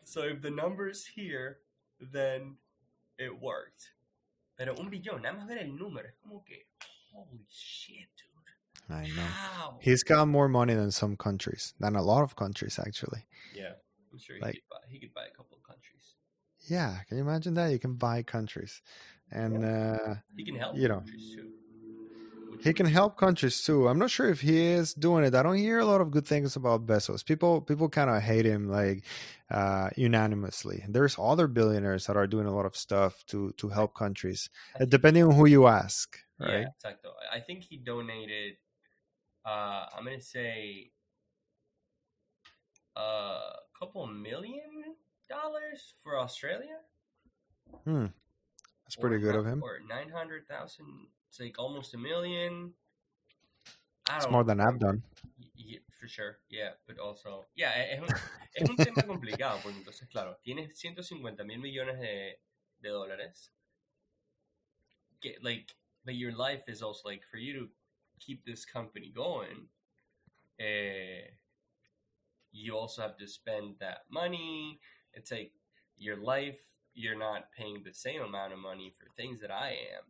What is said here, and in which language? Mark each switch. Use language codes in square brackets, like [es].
[en] So if the number is here, then it worked. [es] Pero un billón, nada más ver el número, es como que, [en] holy shit, dude. I know. Wow. He's got more money than some countries, than a lot of countries, actually. Yeah, I'm sure he could buy a couple of countries. Yeah, can you imagine that? You can buy countries. And he can help countries, too. He can help countries, too. I'm not sure if he is doing it. I don't hear a lot of good things about Bezos. People kind of hate him, like, unanimously. There's other billionaires that are doing a lot of stuff to help countries, depending on who you ask. Right? Yeah, exactly. I think he donated, I'm going to say, a couple million dollars for Australia. Hmm. That's pretty good of him. Or 900,000. It's like almost a million. It's more than I've done. Yeah, for sure. Yeah, but also, [es] es un tema complicado. Porque entonces, claro, tienes 150 mil millones de dólares. [en] But your life is also like for you to keep this company going. You also have to spend that money. It's like your life. You're not paying the same amount of money for things that I am.